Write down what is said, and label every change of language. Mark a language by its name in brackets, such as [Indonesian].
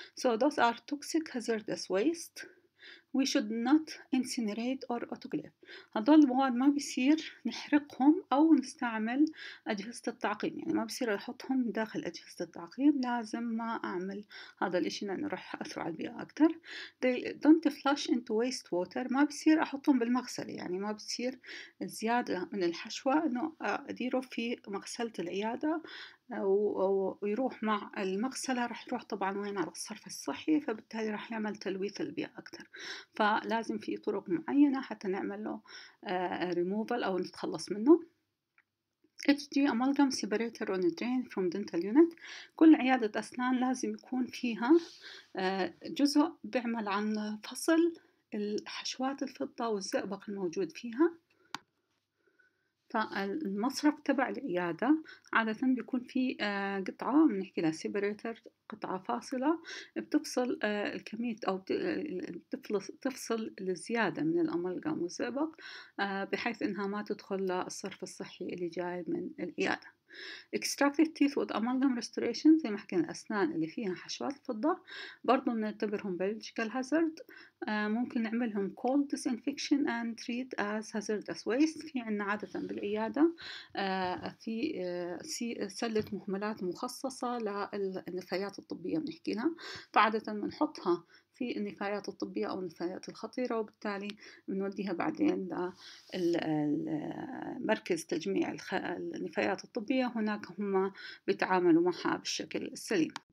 [English] So those are toxic hazardous waste. We should not incinerate or autoclave. [Arabic] هذول المواد ما بيصير نحرقهم أو نستعمل أجهزة التعقيم, يعني ما بيصير أحطهم داخل أجهزة التعقيم, لازم ما أعمل هذا الإشي لأنه رح أثر على البيئة أكتر. [English] They don't flush into waste water. [Arabic] ما بيصير أحطهم بالمغسلة, يعني ما بيصير زيادة من الحشوة إنه أديره في مغسلة العيادة ويروح مع المغسلة, رح يروح طبعا وين على الصرف الصحي, فبالتالي رح يعمل تلويث البيئة أكتر. فلازم في طرق معينة حتى نعمل له ريموفل أو نتخلص منه. [English] HG amalgam separator on a drain from dental unit. [Arabic] كل عيادة أسنان لازم يكون فيها جزء بعمل عن فصل الحشوات الفضة والزئبق الموجود فيها. فالمصرف تبع العيادة عادة بيكون فيه قطعة بنحكي لها سيبريتر, قطعة فاصلة بتفصل الكمية أو تفصل الزيادة من الأمالجام والزئبق بحيث إنها ما تدخل للصرف الصحي اللي جاي من العيادة. [English] Extracted teeth with amalgam restoration, [Arabic] زي ما حكينا الأسنان اللي فيها حشوات فضة برضو نعتبرهم [English] biological hazard, [Arabic] ممكن نعملهم [English] cold disinfection and treat as hazardous waste. [Arabic] في عنا عادة بالعيادة في سلة مهملات مخصصة للنفايات الطبية بنحكيها, فعادة بنحطها في النفايات الطبية أو النفايات الخطيرة, وبالتالي بنوديها بعدين لمركز تجميع النفايات الطبية, هناك هم بيتعاملوا معها بالشكل السليم.